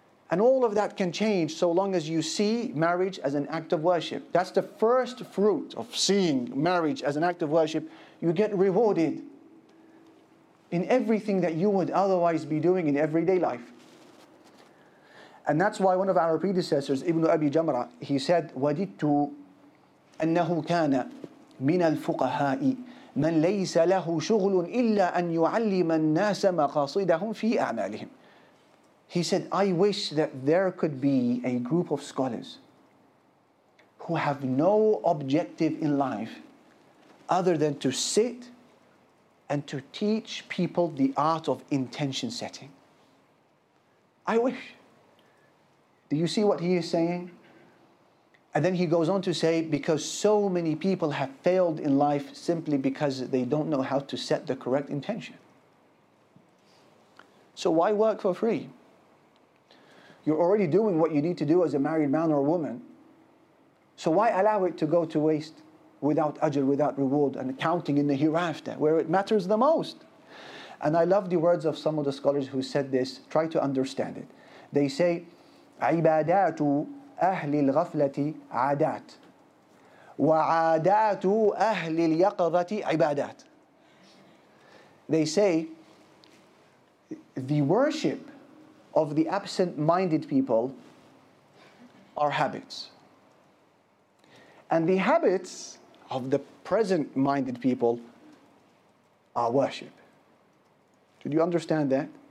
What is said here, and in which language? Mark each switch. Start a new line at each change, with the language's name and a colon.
English: And all of that can change so long as you see marriage as an act of worship. That's the first fruit of seeing marriage as an act of worship. You get rewarded in everything that you would otherwise be doing in everyday life. And that's why one of our predecessors, Ibn Abi Jamrah, he said,
Arabic: وَدِدْتُ أَنَّهُ كَانَ مِنَ الْفُقَهَاءِ مَنْ لَيْسَ لَهُ شُغْلٌ إِلَّا أَنْ يُعَلِّمَ النَّاسَ مَقَاصِدَهُمْ فِي أَعْمَالِهِمْ.
English: He said, I wish that there could be a group of scholars who have no objective in life other than to sit and to teach people the art of intention setting. I wish. Do you see what he is saying? And then he goes on to say, because so many people have failed in life simply because they don't know how to set the correct intention. So why work for free? You're already doing what you need to do as a married man or a woman. So why allow it to go to waste without ajr, without reward, and counting in the hereafter, where it matters the most? And I love the words of some of the scholars who said this. Try to understand it. They say,
Arabic: عبادات أهل الغفلة عادات وعادات أهل اليقظة عبادات.
English: They say, the worship of the absent-minded people are habits. And the habits of the present-minded people are worship. Did you understand that?